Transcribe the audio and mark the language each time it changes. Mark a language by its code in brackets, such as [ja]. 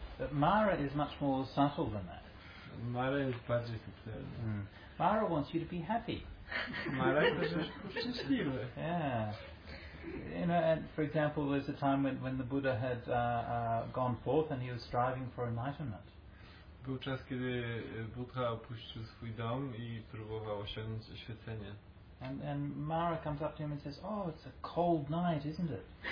[en] But Mara is much more subtle than that. [pl] Mara jest bardziej subtelna. Mara wants you to be happy. Mara chce, żebyś był szczęśliwy. [en] Yeah. You know, and for example, there's a time when the Buddha had gone forth and he was striving for enlightenment. [pl] Był czas, kiedy Buddha opuścił swój dom i próbował osiągnąć oświecenie. [en] And Mara comes up to him and says, "Oh, it's a cold night, isn't it?"